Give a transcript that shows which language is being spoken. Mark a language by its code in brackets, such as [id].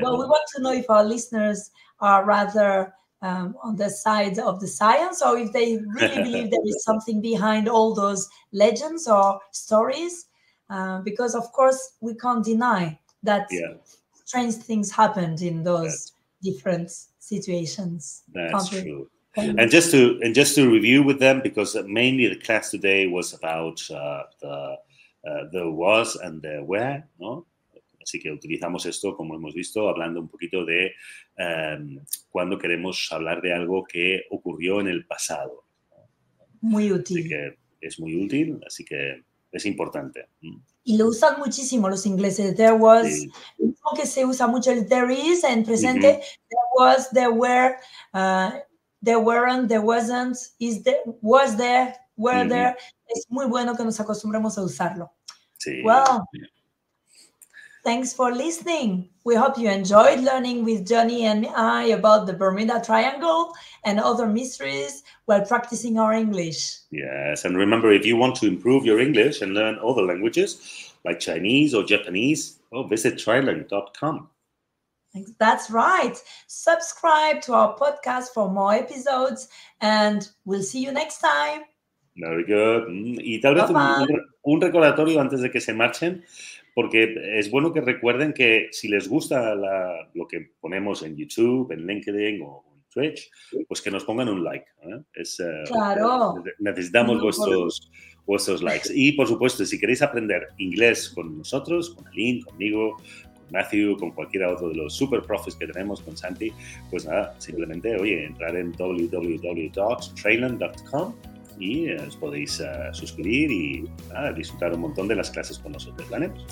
[en] we want to know if our listeners are rather on the side of the science, or if they really believe there is something behind all those legends or stories, because of course we can't deny that strange things happened in those different situations. And just to review with them, because mainly the class today was about the was and the where, no? [es] Así que utilizamos esto, como hemos visto, hablando un poquito de cuando queremos hablar de algo que ocurrió en el pasado. Muy útil. Así que es muy útil, así que es importante. Y lo usan muchísimo los ingleses. [en] There was, [es] creo que se usa mucho el there is en presente. [en] There was, there were, there weren't, there wasn't, is there, was there, were there. [es] Es muy bueno que nos acostumbremos a usarlo. Sí. [en] Well, thanks for listening. We hope you enjoyed learning with Johnny and I about the Bermuda Triangle and other mysteries while practicing our English. Yes, and remember, if you want to improve your English and learn other languages like Chinese or Japanese, well, visit trilang.com. That's right. Subscribe to our podcast for more episodes and we'll see you next time. Very good. [es] Y tal vez un recordatorio antes de que se marchen. Porque es bueno que recuerden que si les gusta lo que ponemos en YouTube, en LinkedIn o en Twitch, pues que nos pongan un like. Claro. Necesitamos vuestros likes. Y, por supuesto, si queréis aprender inglés con nosotros, con Aline, conmigo, con Matthew, con cualquiera otro de los super profes que tenemos, con Santi, pues nada, simplemente, oye, entrar en www.docstrainland.com y os podéis suscribir y disfrutar un montón de las clases con nosotros, ¿vale?